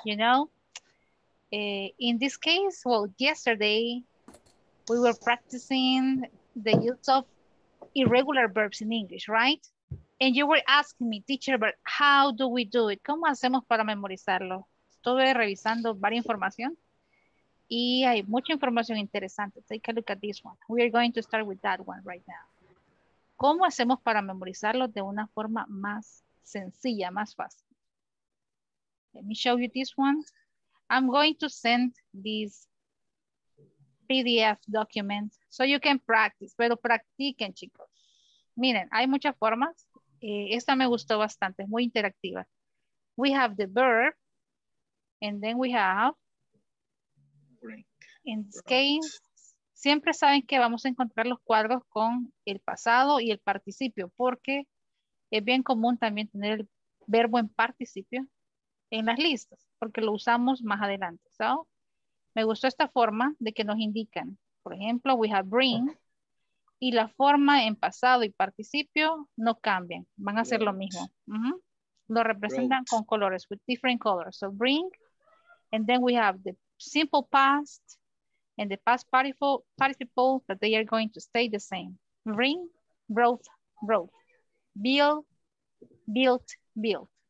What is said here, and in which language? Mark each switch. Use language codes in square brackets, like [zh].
[en] You know, in this case, well, yesterday we were practicing the use of irregular verbs in English, right? And you were asking me, teacher, but how do we do it? [es] ¿Cómo hacemos para memorizarlo? Estuve revisando varias información y hay mucha información interesante. [en] Take a look at this one. We are going to start with that one right now. [es] ¿Cómo hacemos para memorizarlo de una forma más sencilla, más fácil? [en] Let me show you this one. I'm going to send this PDF document so you can practice. [es] Pero practiquen, chicos. Miren, hay muchas formas. Esta me gustó bastante, muy interactiva. [en] We have the verb, and then we have, in this case, [es] siempre saben que vamos a encontrar los cuadros con el pasado y el participio, porque es bien común también tener el verbo en participio en las listas, porque lo usamos más adelante. So, me gustó esta forma de que nos indican, por ejemplo, [en] we have bring, [es] y la forma en pasado y participio no cambian. Van a ser lo mismo. Uh-huh. Lo representan con colores, [en] with different colors. So bring, and then we have the simple past and the past participle that they are going to stay the same. Bring, wrote, wrote. Build, built, built.